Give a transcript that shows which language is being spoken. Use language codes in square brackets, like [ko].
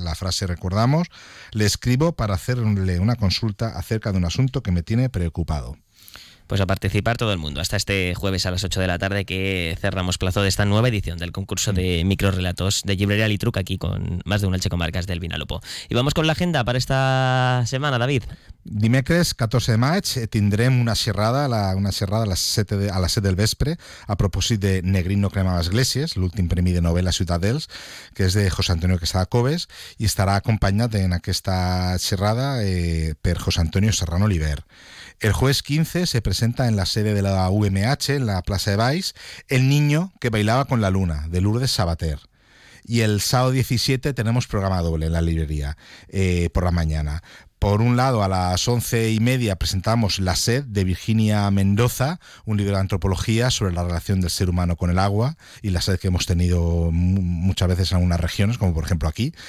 [es] La frase, recordamos, le escribo para hacerle una consulta acerca de un asunto que me tiene preocupado. Pues a participar todo el mundo hasta este jueves a las 8 de la tarde, que cerramos plazo de esta nueva edición del concurso de microrrelatos de Librería Alitruc, aquí con más de un Elche Comarcas del Vinalopó. Y vamos con la agenda para esta semana, David. [ca] Dimecres 14 de maig tindrem una xerrada a les 7 del vespre a propòsit de Negrín no crema les esglésies, l'últim premi de novel·la Ciutat d'Els, que és de José Antonio Quesada Coves, i estarà acompanyat en aquesta xerrada per José Antonio Serrano Oliver. [es] El jueves 15 se presenta en la sede de la UMH, en la plaça de Baix, El niño que bailaba con la luna, de Lourdes Sabater. Y el sábado 17 tenemos programa doble en la librería, por la mañana. Por un lado, a las 11:30 presentamos La sed, de Virginia Mendoza, un libro de antropología sobre la relación del ser humano con el agua y la sed que hemos tenido muchas veces en algunas regiones, como por ejemplo aquí.